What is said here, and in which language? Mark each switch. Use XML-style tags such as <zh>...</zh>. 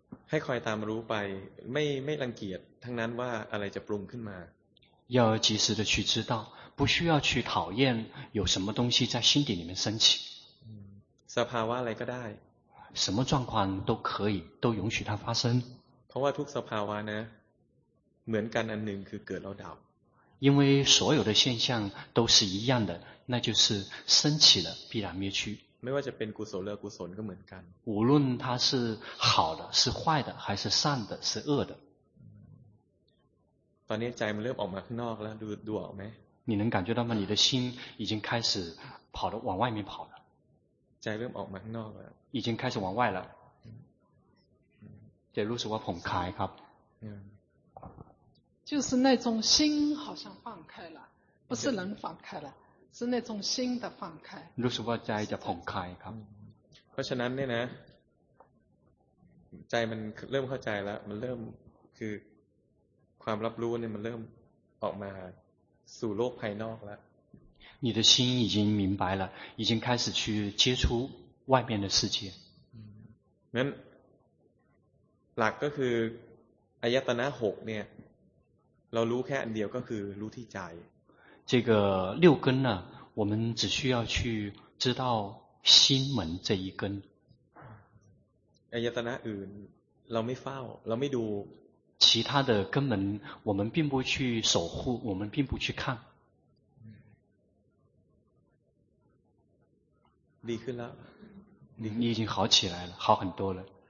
<th>ให้คอยตามรู้ไปไม่รังเกียจทั้งนั้นว่าอะไรจะปรุงขึ้นมา</th> <zh>要及时的去知道不需要去讨厌有什么东西在心底里面升起</zh> <th>สภาวะอะไรก็ได้</th> <zh>什么状况都可以都允许它发生</zh> <th>เพราะว่าทุกสภาวะนะเหมือนกันอันหนึ่งคือเกิดแล้วดับ</th> <zh>因为所有的现象都是一样的那就是升起了必然灭去</zh> <th>ไม่ว่าจะเป็นกุศลหรืออกุศลก็เหมือนกัน</th> <zh>无论它是好的是坏的还是善的是恶的</zh> <th>ตอนนี้ใจมันเริ่มออกมาข้างนอกแล้วดูออกไหม</th> <zh>你能感觉到吗你的心已经开始跑了往外面跑了</zh> <th>ใจเริ่มออกมาข้างนอกแล้ว</th> <zh>已经开始往外了</zh> <th>จะรู้สึกว่าผ่องคลายครับ</th> <zh>就是那种心好像放开了不是人放开了是那种心的放开</zh> <th>รู้สึกว่าใจจะผ่องคลายครับ เพราะฉะนั้นเนี่ยนะใจมันเริ่มเข้าใจแล้วมันเริ่มคือความรับรู้เนี่ยมันเริ่มออกมาสู่โลกภายนอกแล้</th> <zh>ว你的心已经明白了已经开始去接触外面的世界</zh> <th>นั้นหลักก็คืออายตนะ6เนี่ยเรารู้แค่อันเดียวก็คือรู้ที่ใจ</th> <zh>这个六根呢我们只需要去知道心门这一根</zh> <th>อายตนะอื่นเราไม่เฝ้าเราไม่ดู</th> <zh>其他的根门我们并不去守护我们并不去看</zh> <th>ดีขึ้นแล้ว</th> <zh>你已经好起来了，好很多了。</zh>